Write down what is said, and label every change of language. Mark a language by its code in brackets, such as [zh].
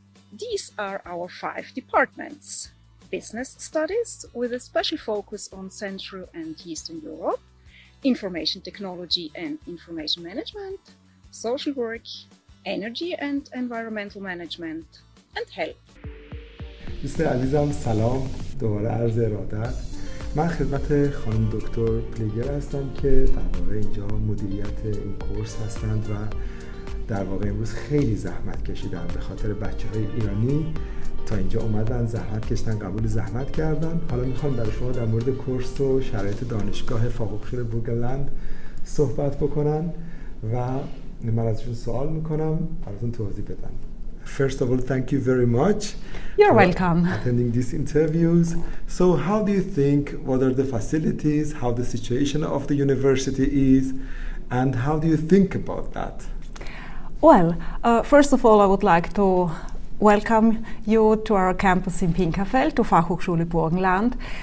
[en] These are our 5 departments: Business Studies with a special focus on Central and Eastern Europe, Information Technology and Information Management, Social Work, Energy and Environmental Management, and Health. [fa] دوست عزیزم سلام، دوباره عرض ارادت. من خدمت خانم دکتر پلیگر هستم که در واقع اینجا مدیریت این کورس هستند و در واقع امروز خیلی زحمت کشیدن به خاطر بچه های ایرانی تا اینجا اومدن، زحمت کشیدن، قبول زحمت کردن. حالا میخوام برای شما در مورد کورس و شرایط دانشگاه فاخوخشوله بوگلند صحبت بکنن و من ازشون سوال میکنم براتون توضیح بدن. [en] First of all, thank you very much. You're welcome. Attending these interviews. So how do you think, what are the facilities, how the situation of the university is, and how do you think about that? Well, first of all, I would like to welcome you to our campus in Pinkafeld, to Fachhochschule Burgenland.